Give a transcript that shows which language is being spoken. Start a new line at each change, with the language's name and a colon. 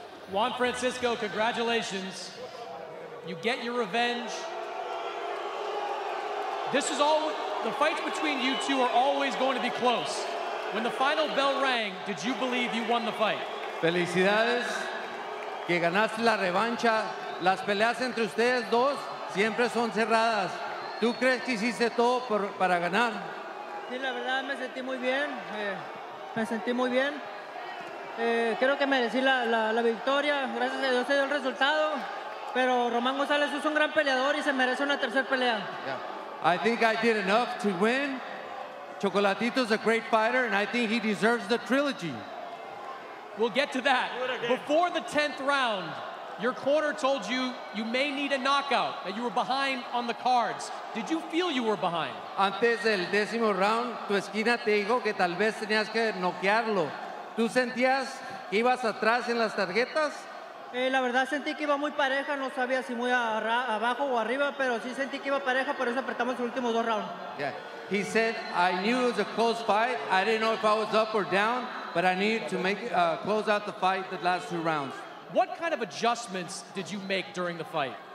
English: Juan Francisco, congratulations. You get your revenge. This is all... The fights between you two are always going to be close. When the final bell rang, did you believe you won the fight?
Spanish: Felicidades que ganaste la revancha. Las peleas entre ustedes dos siempre son cerradas. ¿Tú crees que hiciste todo para ganar? Sí, la verdad, me sentí muy bien. Me sentí muy bien. Creo que merecí la victoria. Gracias a Dios se dio el resultado. Pero Román González es un gran peleador y se merece una tercera pelea.
English: Yeah. I think I did enough to win. Chocolatito's a great fighter, and I think he deserves the trilogy. We'll get to that. Before the 10th round, your corner told you you may need a knockout, that you were behind on the cards. Did you feel you were behind?
Spanish: Antes del décimo round, tu esquina te dijo que tal vez tenías que noquearlo. ¿Tú sentías que ibas atrás en las tarjetas? La verdad, sentí que iba muy pareja. No sabía si muy abajo o arriba, pero sí sentí que iba pareja, por eso apretamos los últimos dos rounds.
English: Yeah. He said, I knew it was a close fight. I didn't know if I was up or down, but I needed to close out the fight the last two rounds. What kind of adjustments did you make during the fight?